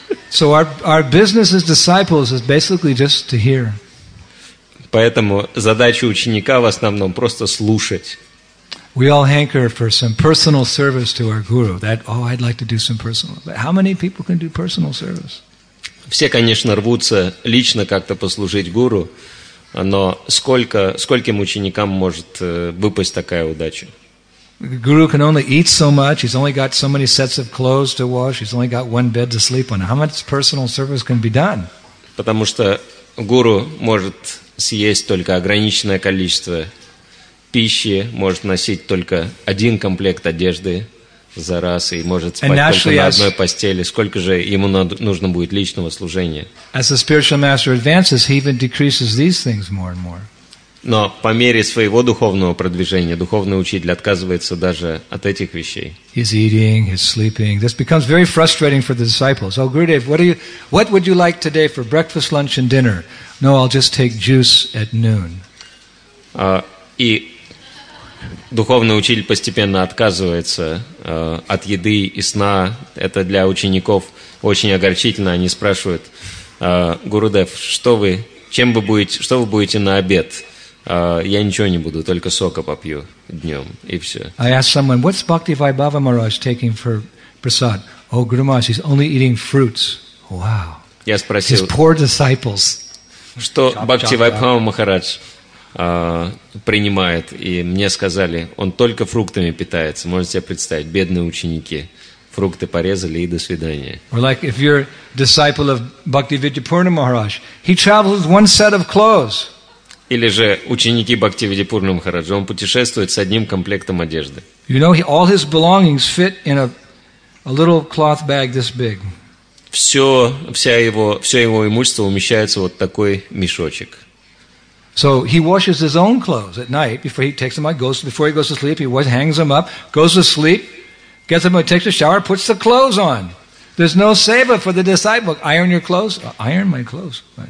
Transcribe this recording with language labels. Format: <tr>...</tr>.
<en>So our business as disciples is basically just to hear.</en> <ru>Поэтому задача ученика в основном просто слушать.</ru> <en>We all hanker for some personal service to our guru. I'd like to do some personal. But how many people can do personal service?</en> <ru>Все, конечно, рвутся лично как-то послужить гуру, но скольким ученикам может выпасть такая удача?</ru> <en>The guru can only eat so much. He's only got so many sets of clothes to wash. He's only got one bed to sleep on. How much personal service can be done?</en> <ru>Потому что гуру может съесть только ограниченное количество пищи, может носить только один комплект одежды за раз и может спать только на одной постели. Сколько же ему нужно будет личного служения?</ru> <en>As the spiritual master advances, he even decreases these things more and more.</en> <ru>Но по мере своего духовного продвижения духовный учитель отказывается даже от этих вещей.</ru> <en>He's eating, he's sleeping. This becomes very frustrating for the disciples. Oh, Gurudev, what would you like today for breakfast, lunch and dinner? No, I'll just take juice at noon.</en> <ru>И духовный учитель постепенно отказывается от еды и сна. Это для учеников очень огорчительно. Они спрашивают: Гурудев, что вы будете на обед? Я ничего не буду, только сока попью днем, и все.</ru> <en>I asked someone, what's Bhakti Vaibhava Maharaj taking for prasad? Oh, Guru Maharaj, he's only eating fruits. Wow.</en> <ru>Я спросил,</ru> <en>his poor disciples.</en> <ru>Что Бхакти Вайбхава Махарадж принимает? И мне сказали, он только фруктами питается. Можете себе представить, бедные ученики. Фрукты порезали, и до свидания.</ru> <en>Or like if you're a disciple of Bhakti Vidyapurna Maharaj, he travels with one set of clothes.</en> <ru>Или же ученики Бхакти Видипурна Махараджа, он путешествует с одним комплектом одежды.</ru> <en>You know, all his belongings fit in a little cloth bag this big.</en> <ru>Все его имущество умещается вот такой мешочек.</ru> <en>So he washes his own clothes at night before he takes them out, before he goes to sleep, he hangs them up, goes to sleep, gets them out, takes a shower, puts the clothes on. There's no seva for the disciple. Iron your clothes? Iron my clothes.</en>